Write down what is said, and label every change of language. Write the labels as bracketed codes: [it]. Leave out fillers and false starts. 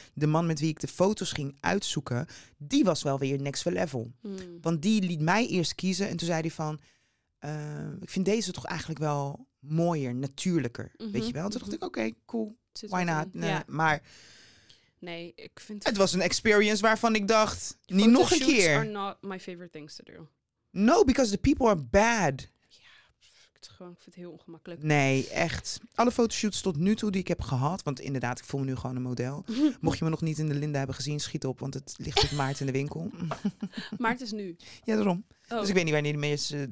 [nl] De man met wie ik de foto's ging uitzoeken, die was wel weer next level. Hmm. Want die liet mij eerst kiezen. En toen zei hij van, ik vind deze toch eigenlijk wel mooier, natuurlijker. Mm-hmm. Weet je wel? Toen dacht ik, oké, cool. [en] Why not? [nl] Nee, ja. Maar... Nee, ik vind... Het was een experience waarvan ik dacht... Niet nog een keer. [en] Photoshoots are not my favorite things to do. No, because the people are bad. [nl] Ja, ik vind het heel ongemakkelijk. Nee, echt. Alle fotoshoots tot nu toe die ik heb gehad... Want inderdaad, ik voel me nu gewoon een model. Mocht je me nog niet in de Linda hebben gezien, schiet op. Want het ligt met Maart in de winkel. Maart is nu. Ja, daarom. Oh. Dus ik weet niet wanneer de meeste...